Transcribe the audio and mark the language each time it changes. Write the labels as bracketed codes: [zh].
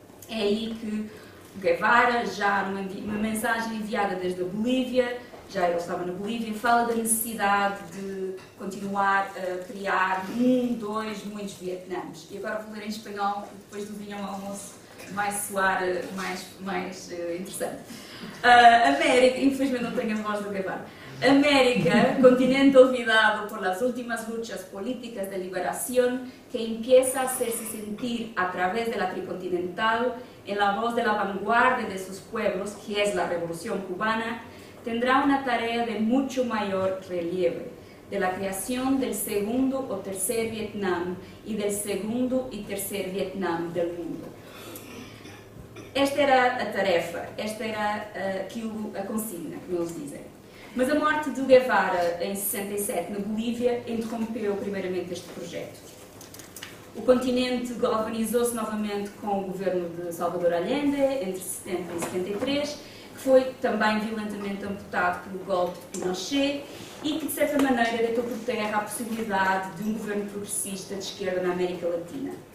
[pt] É aí que Guevara, já numa mensagem enviada desde a Bolívia, já ele estava na Bolívia, fala da necessidade de continuar a criar muitos Vietnãs. E agora vou ler em espanhol, depois do vinho ao almoço vai soar mais interessante. América, infelizmente não tenho a voz do Guevara. [es] América, continente olvidado por las últimas luchas políticas de liberación que empieza a hacerse sentir a través de la tricontinental en la voz de la vanguardia de sus pueblos, que es la revolución cubana, tendrá una tarea de mucho mayor relieve, de la creación del segundo o tercer Vietnam y del segundo y tercer Vietnam del mundo. [pt] Esta era a tarefa, esta era a consigna, como eles dizem. Mas a morte de Guevara, em 67, na Bolívia, interrompeu primeiramente este projeto. O continente galvanizou-se novamente com o governo de Salvador Allende, entre 70 e 73, que foi também violentamente amputado pelo golpe de Pinochet e que, de certa maneira, deitou por terra a possibilidade de um governo progressista de esquerda na América Latina.